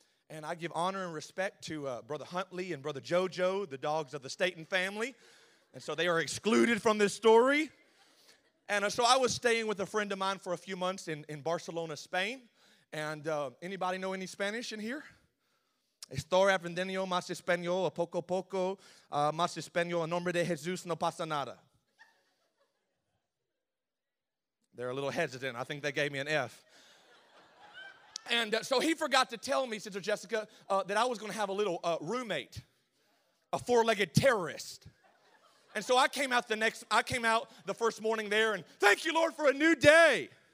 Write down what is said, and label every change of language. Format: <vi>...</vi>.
<en>And I give honor and respect to Brother Huntley and Brother JoJo, the dogs of the Staten family. And so they are excluded from this story. And so I was staying with a friend of mine for a few months in Barcelona, Spain. And anybody know any Spanish in here?</en> <es>Estoy aprendiendo más español poco a poco. Más español en nombre de Jesús no pasa nada.</es> <en>They're a little hesitant. I think they gave me an F. And so he forgot to tell me, Sister Jessica, that I was going to have a little roommate, a four-legged terrorist. And so I came out the first morning there and thank you, Lord, for a new day.</en>